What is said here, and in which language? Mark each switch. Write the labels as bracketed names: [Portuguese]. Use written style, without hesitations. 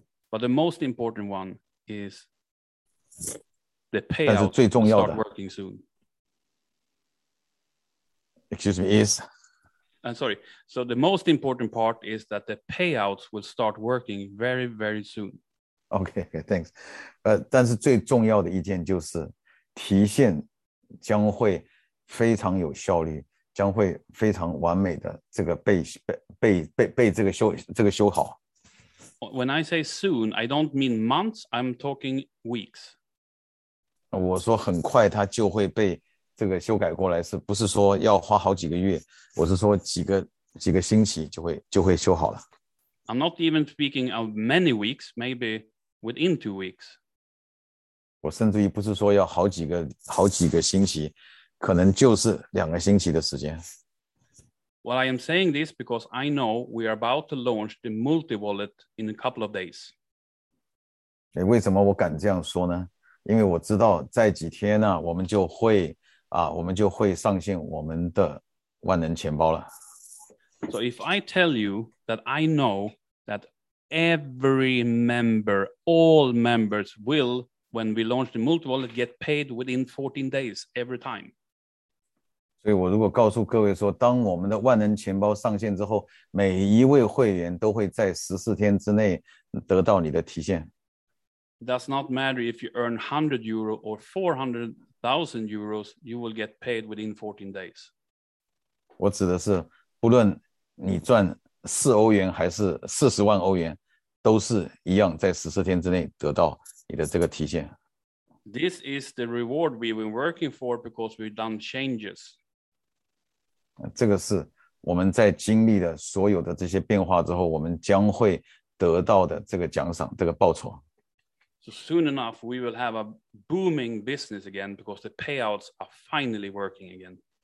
[English] But the most important one is. The payout will start working soon. Excuse me, is? I'm sorry. So the most important part is that the payouts will start working very, very soon. Okay, thanks. [Chinese] 但是最重要的一件就是提现将会非常有效率，将会非常完美的这个被这个修好。 [English] When I say soon, I don't mean months. I'm talking weeks. [Chinese] 我说很快它就会被这个修改过来，是不是说要花好几个月？我是说几个星期就会修好了。 [English] I'm not even speaking of many weeks. Maybe within 2 weeks. [Chinese] 我甚至于不是说要好几个星期，可能就是两个星期的时间。 [English] Well, I am saying this because I know we are about to launch the multi-wallet in a couple of days. [Chinese] 为什么我敢这样说呢？因为我知道在几天呢，我们就会啊，我们就会上线我们的万能钱包了。 [English] So if I tell you that I know that every member, all members will, when we launch the multi-wallet, get paid within 14 days every time. [Chinese] 所以我如果告诉各位说，当我们的万能钱包上线之后，每一位会员都会在14天之内得到你的提现。 [English] Does not matter if you earn 100 euro or 400,000 euros, you will get paid within 14 days. [Chinese] 我指的是不论你赚四欧元还是四十万欧元，都是一样在十四天之内得到你的这个提现。 [English] This is the reward we've been working for because we've done changes. [Chinese] 这个是我们在经历了所有的这些变化之后，我们将会得到的这个奖赏，这个报酬。 [English] So soon enough, we will have a booming business again because the payouts are finally working again.